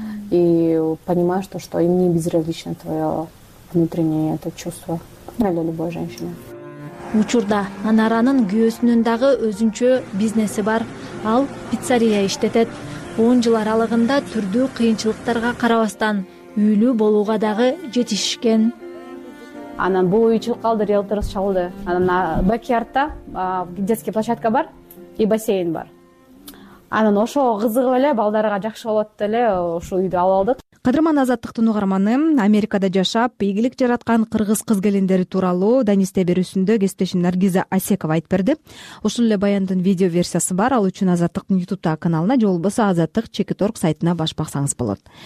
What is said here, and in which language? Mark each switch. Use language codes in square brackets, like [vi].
[ru] И понимаешь то, что им не безразлично твое внутреннее это чувство для любой женщины. [ky] Учурда Анаранын күйөөсүнүн дагы өзүнчө бизнеси бар. Ал пиццерия иштетет. 10 жыл аралыгында түрдүү кыйынчылыктарга карабастан үйлүү болууга дагы жетишкен. Анан бул үйчү калды, риэлторус чалды. Анан бакиардта [ru] детский площадка [ky] бар [ru] и бассейн [ky] бар. Анан ошого кызыгып эле балдарга жакшы болот эле ушул үйдү алып алдык. Кадырман азаттыктын угарманы, Америкада жашап, ийгилик жараткан кыргыз кыз келиндери тууралуу Данисте берүүсүндө кесиптешим Наргиза Асекова айтып берди. Ушул эле баяндын видео версиясы бар, ал үчүн азаттыктын YouTube-та каналына же болбосо азаттык .org сайтына баш баксаңыз болот.